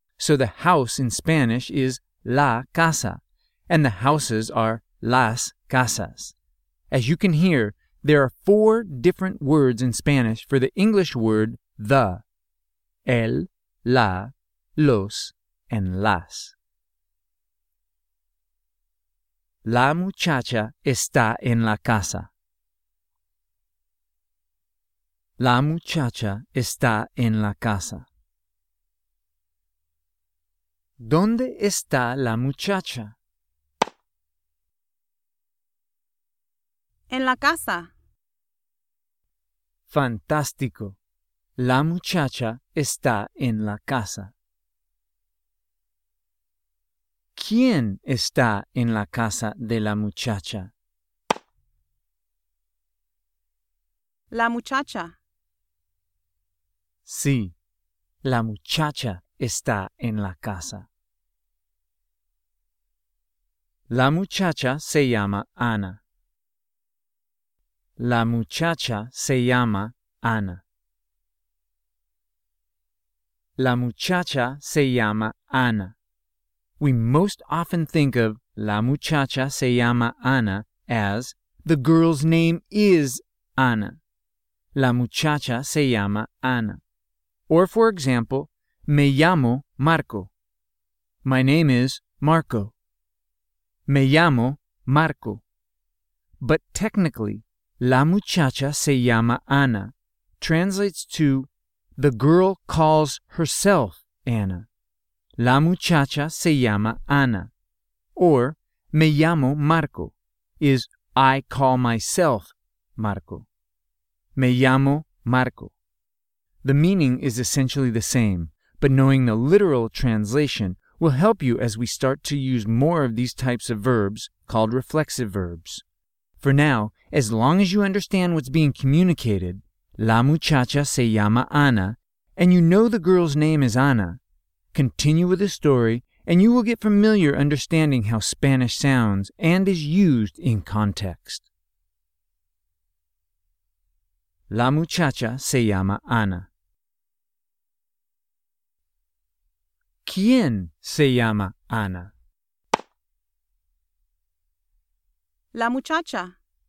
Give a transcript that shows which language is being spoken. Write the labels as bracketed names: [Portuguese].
[English] So the house in Spanish is [Spanish] la casa, [English] and the houses are [Spanish] las casas. [English] As you can hear, there are four different words in Spanish for the English word the: el, la, los, and las. [Spanish] La muchacha está en la casa. La muchacha está en la casa. ¿Dónde está la muchacha? En la casa. Fantástico. La muchacha está en la casa. ¿Quién está en la casa de la muchacha? La muchacha. Sí, la muchacha está en la casa. La muchacha se llama Ana. La muchacha se llama Ana. La muchacha se llama Ana. [English] We most often think of [Spanish] la muchacha se llama Ana [English] as the girl's name is Ana. [Spanish] La muchacha se llama Ana. [English] Or, for example, [Spanish] me llamo Marco. [English] My name is Marco. [Spanish] Me llamo Marco. [English] But technically, [Spanish] la muchacha se llama Ana [English] translates to the girl calls herself Ana. [Spanish] La muchacha se llama Ana. [English] Or, [Spanish] me llamo Marco [English] is I call myself Marco. [Spanish] Me llamo Marco. [English] The meaning is essentially the same, but knowing the literal translation will help you as we start to use more of these types of verbs called reflexive verbs. For now, as long as you understand what's being communicated, [Spanish] la muchacha se llama Ana, [English] and you know the girl's name is Ana, continue with the story and you will get familiar understanding how Spanish sounds and is used in context. [Spanish] La muchacha se llama Ana. ¿Quién se llama Ana? La muchacha.